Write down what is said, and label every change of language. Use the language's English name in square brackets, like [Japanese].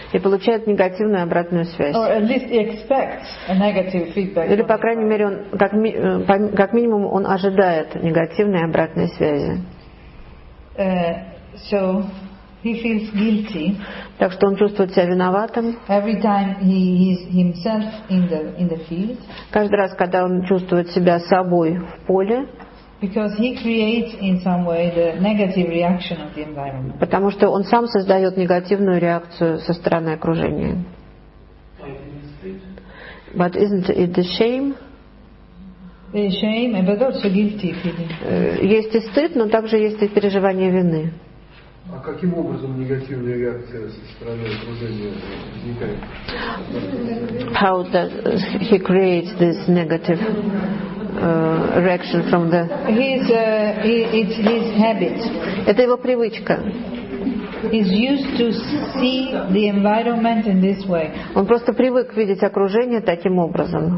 [Russian] И получает негативную обратную связь. [English] Or at least he expects a negative feedback. [Russian] Или, по крайней мере, он как минимум он ожидает негативной обратной связи. [English] So he feels guilty. [Russian] Так что он чувствует себя виноватым. [English] Every time he is himself in the field. [Russian] Каждый раз, когда он чувствует себя собой в поле. [English] Because he creates in some way the negative reaction of the environment. [Russian] Потому что он сам создает негативную реакцию со стороны окружения. [English] But isn't it the shame? The shame, but also guilty feeling. [Russian] Есть и стыд, но также есть и переживание вины. А каким образом негативная реакция со стороны окружения возникает? [English] How does he create this negative reaction from the it's his habit. [Russian] Это его привычка. [English] He's used to see the environment in this way. [Russian] Он просто привык видеть окружение таким образом.